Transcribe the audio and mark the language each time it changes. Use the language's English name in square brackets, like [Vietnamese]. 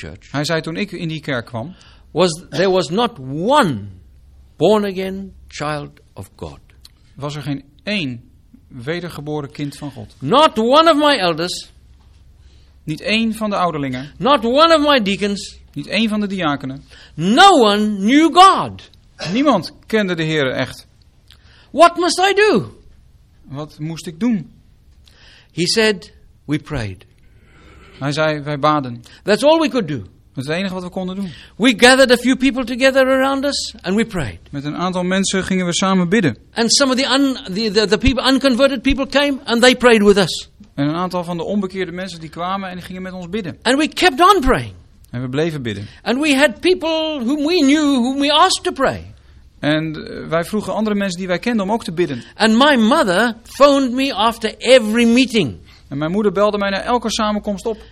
[Dutch] hij zei toen ik in die kerk kwam, [English] there was not one born again child of God. [Dutch] Was er geen één wedergeboren kind van God. [English] Not one of my elders. [Dutch] Niet één van de ouderlingen. [English] Not one of my deacons. [Dutch] Niet één van de diakenen. [English] No one knew God. [Dutch] Niemand kende de Heer echt. [English] What must I do? [Dutch] Wat moest ik doen? [English] He said, we prayed. [Dutch] Hij zei, wij baden. [English] That's all we could do. [Dutch] Dat is het enige wat we konden doen. [English] We gathered a few people together around us and we prayed. [Dutch] Met een aantal mensen gingen we samen bidden. [English] And some of the unconverted people came and they prayed with us. [Dutch] En een aantal van de onbekeerde mensen die kwamen en die gingen met ons bidden. [English] And we kept on praying. [Dutch] En we bleven bidden. [English] And we had people whom we knew whom we asked to pray. [Dutch] En wij vroegen andere mensen die wij kenden om ook te bidden. [English] And my mother phoned me after every meeting. [Dutch] En mijn moeder belde mij na elke samenkomst op.